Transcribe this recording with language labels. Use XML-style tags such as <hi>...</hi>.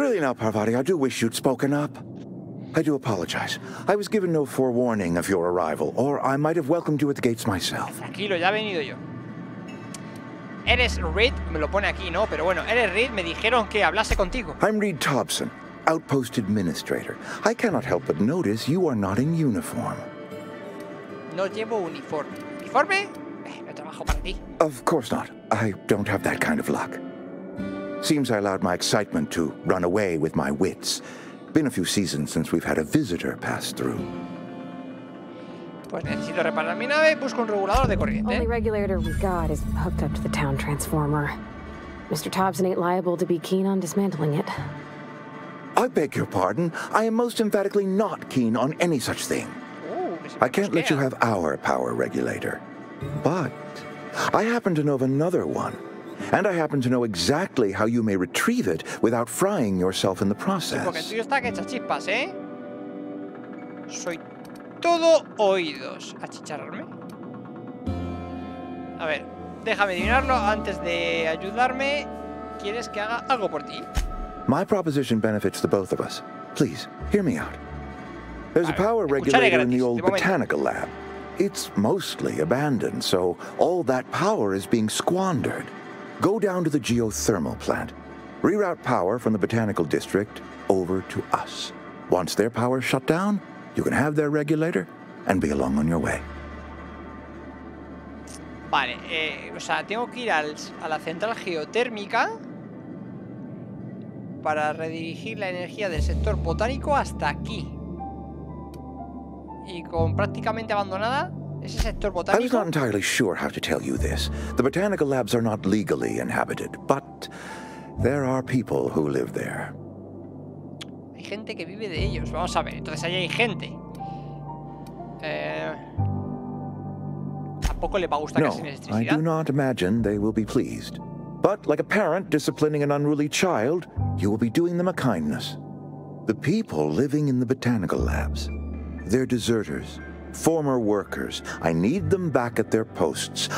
<en>Really now, Parvati, I do wish you'd spoken up. I do apologize. I was given no forewarning of your arrival, or I might have welcomed you at the gates myself.</en> <es>Tranquilo, ya he venido yo. Eres Reed, me lo pone aquí, ¿no? Pero bueno, eres Reed, me dijeron que hablase contigo.</es> <en>I'm Reed Thompson, outpost administrator. I cannot help but notice you are not in uniform.</en> <es>No llevo uniforme. ¿Uniforme? No trabajo para ti.</es> <en>Of course not. I don't have that kind of luck. Seems I allowed my excitement to run away with my wits. Been a few seasons since we've had a visitor pass through.</en> <es>Pues necesito reparar mi nave, busco un regulador de corriente.</es> <en>Only regulator we got is hooked up to the town transformer. Mr. Thompson ain't liable to be keen on dismantling it. I beg your pardon. I am most emphatically not keen on any such thing. I can't let you have our power regulator. But I happen to know of another one. And I happen to know exactly how you may retrieve it without frying yourself in the process.</en> <es>Sí, porque el tuyo está que echa chispas, ¿eh? Soy todo oídos. ¿Achicharrarme? A ver, déjame adivinarlo antes de ayudarme. ¿Quieres que haga algo por ti?</es> <en>My proposition benefits the both of us. Please, hear me out. There's a power regulator in the old botanical lab. It's mostly abandoned, so all that power is being squandered. Go down to the geothermal plant. Reroute power from the botanical district over to us. Once their power is shut down, you can have their regulator and be along on your way.</en> <es>Vale, o sea, tengo que ir a la central geotérmica para redirigir la energía del sector botánico hasta aquí. Y con prácticamente abandonada.</es> <en>I was not entirely sure how to tell you this. The botanical labs are not legally inhabited, but there are people who live there.</en> <es>Hay gente que vive de ellos. Vamos a ver. Entonces allí hay gente. Tampoco le va a gustar no, que sin electricidad.</es> <en>No, I do not imagine they will be pleased. But like a parent disciplining an unruly child, you will be doing them a kindness. The people living in the botanical labs, they're deserters. Former workers. I need them back at their posts.</en>